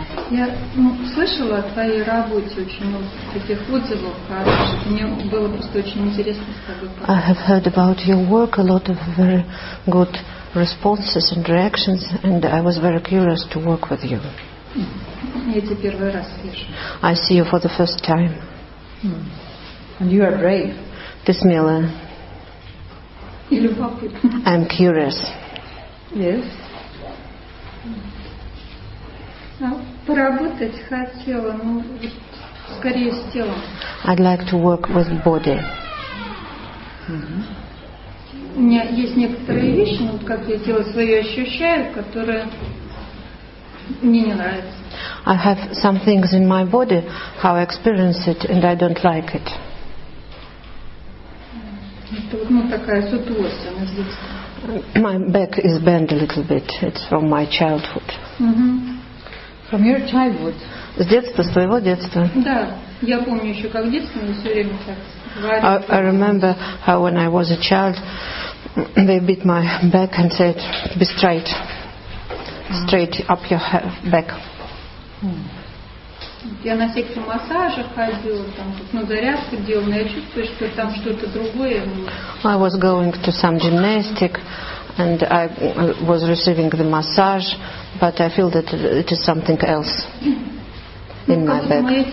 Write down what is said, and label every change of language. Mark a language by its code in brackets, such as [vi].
[ru] Я слышала о твоей работе очень много таких отзывов хороших. Мне было просто очень интересно с тобой [en] поговорить. I have heard about your work, a lot of very good responses and reactions, and I was very curious to work with you. [ru] Я тебя первый раз вижу. [en] I see you for the first time. And you are brave. [ru] Ты смелая. И любопытна. [en] I'm curious. Yes. [ru] Поработать хотела, но скорее с телом. [en] I'd like to work with body. [ru] У меня есть некоторые вещи, но как я тело свое ощущаю, которые мне не нравятся. [en] I have some things in my body, how I experience it, and I don't like it. [ru] Это вот такая сутулость, она здесь. [en] My back is bent a little bit. It's from my childhood. From your childhood. [ru] С детства, с твоего детства. Да, я помню еще как детство, но все время так. [en] I remember how when I was a child, they beat my back and said, "Be straight, straight up your back." [ru] Я на всякие массажи ходила, там на зарядки делала, но я чувствую, что там что-то другое. [en] I was going to some gymnastic, and I was receiving the massage, but I feel that it is something else. In my back.